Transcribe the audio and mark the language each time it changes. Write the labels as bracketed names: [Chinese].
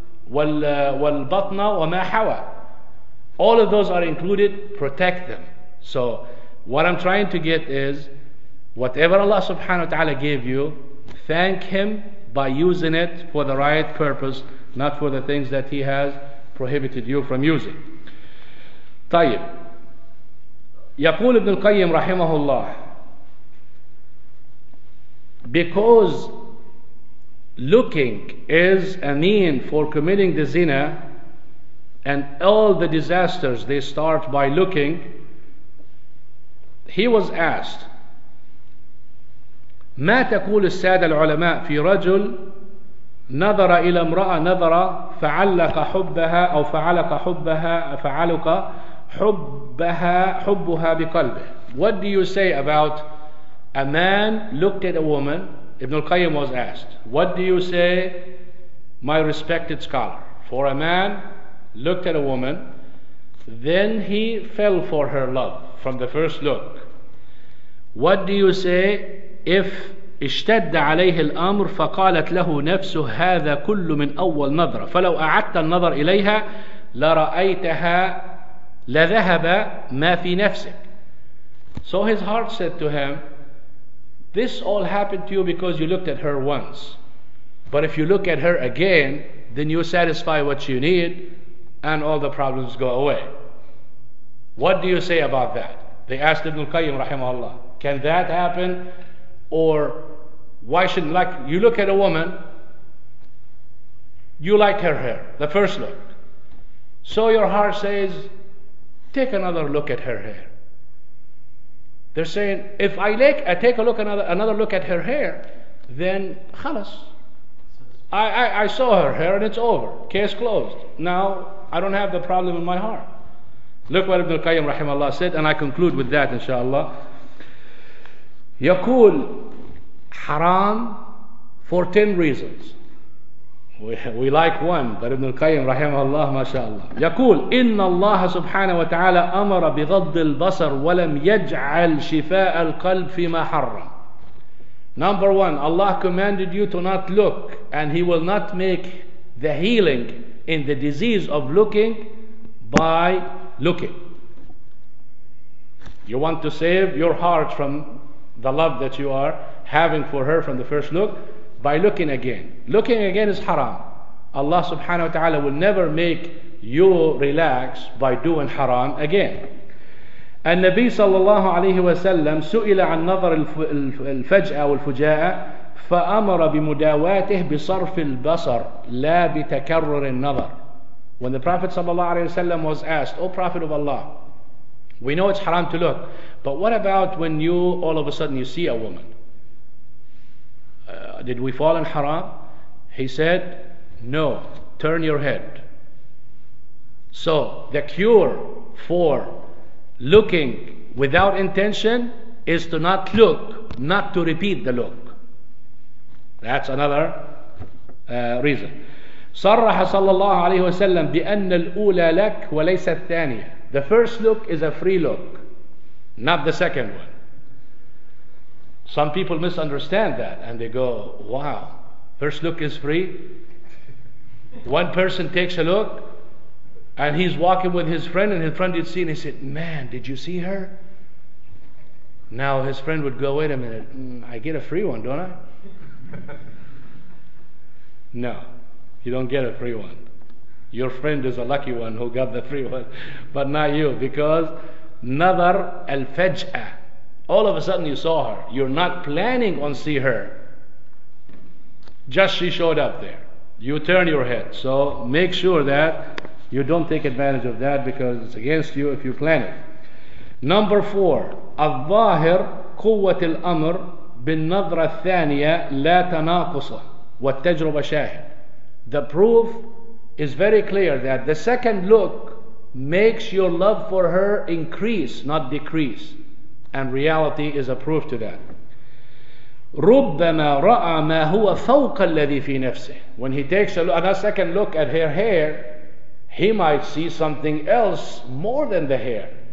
[Arabic] وَالْبَطْنَ وَمَا حَوَى, [English] all of those are included, protect them. So what I'm trying to get is, whatever Allah subhanahu wa ta'ala gave you, thank Him by using it for the right purpose, not for the things that He has prohibited you from using. [Arabic] طيب يقول ابن القيم رحمه الله, [English] because looking is a mean for committing the zina, and all the disasters, they start by looking, he was asked, [Arabic] ما تقول السادة العلماء في رجل نظر إلى امرأة نظرة فعلق حبها أو فعلق حبها فعلق حبها حبها بقلبه. [English] What do you say about a man looked at a woman? Ibn al-Qayyim was asked, what do you say, my respected scholar, for a man looked at a woman, then he fell for her love from the first look. What do you say if [Arabic] اشتد عليه الأمر فقالت له نفسه هذا كل من أول نظرة فلو أعدت النظر إليها لرأيتها لذهب ما في نفسك. [English] So his heart said to him, this all happened to you because you looked at her once, but if you look at her again, then you satisfy what you need and all the problems go away. What do you say about that? They asked Ibn al-Qayyim rahimahullah, can that happen? Or why shouldn't, like, you look at a woman, you like her hair, the first look, so your heart says, take another look at her hair. They're saying, if I take another look at her hair, then khalas, I saw her hair and it's over, case closed. Now I don't have the problem in my heart. Look what Ibn al-Qayyim rahimahullah said, and I conclude with that inshallah. [Arabic] يقول حرام [English] for 10 reasons. We like one, but Ibn al-Qayyim rahimahullah, mashallah. [Arabic] يقول إن الله سبحانه وتعالى أمر بغض البصر ولم يجعل شفاء القلب فيما حرم. [English] Number one, Allah commanded you to not look, and He will not make the healing in the disease of looking by looking. You want to save your heart from the love that you are having for her from the first look by looking again. Looking again is haram. Allah subhanahu wa ta'ala will never make you relax by doing haram again. [Arabic] النبي صلى الله عليه وسلم سئل عن نظر الفجأة والفجاءة فأمر بمداواته بصرف البصر لا بتكرر النظر. [English] When the Prophet [Arabic] صلى الله عليه وسلم [English] was asked, O Prophet of Allah, we know it's haram to look, but what about when you all of a sudden you see a woman? Did we fall in haram? He said, no, turn your head. So the cure for looking without intention is to not look, not to repeat the look. That's another reason. [Arabic] صرح صلى الله عليه وسلم بأن الأولى لك وليس الثانية. [English] The first look is a free look, not the second one. Some people misunderstand that and they go, wow, first look is free. One person takes a look and he's walking with his friend, and his friend did see, and he said, man, did you see her? Now his friend would go, wait a minute, I get a free one, don't I? No, you don't get a free one. Your friend is a lucky one who got the free one, but not you, because nadhar al-faj'a, all of a sudden you saw her. You're not planning on see her. Just she showed up there. You turn your head. So make sure that you don't take advantage of that, because it's against you if you plan it. Number four. [Arabic] الظاهر قوة الأمر بالنظرة الثانية لا تناقصة والتجربة شاهد. [English] The proof is very clear that the second look makes your love for her increase, not decrease. And reality is a proof to that. [Arabic] رُبَّمَا رَأَى مَا هُوَ فَوْقَ الَّذِي فِي نَفْسِهِ. [English] When he takes a second look at her hair, he might see something else more than the hair.